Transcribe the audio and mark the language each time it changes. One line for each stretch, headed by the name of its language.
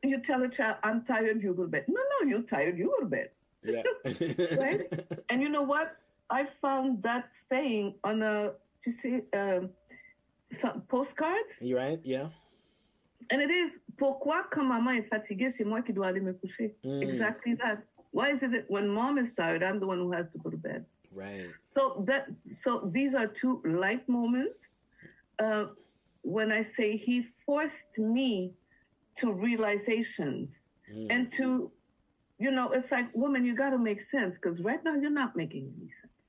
English: You tell a child, I'm tired, you go to bed. No, no, you're tired, you go to bed. Yeah. Right? And you know what? I found that saying on a, you see, some postcards. You're right, yeah. And it is,
French: pourquoi quand maman est fatiguée, c'est moi qui dois aller me coucher. Mm.
English: Exactly that. Why is it that when mom is tired, I'm the one who has to go to bed? Right. So that, so these are two light moments. When I say he forced me to realizations and to, you know, it's like, woman, you got to make sense because right now you're not making any sense.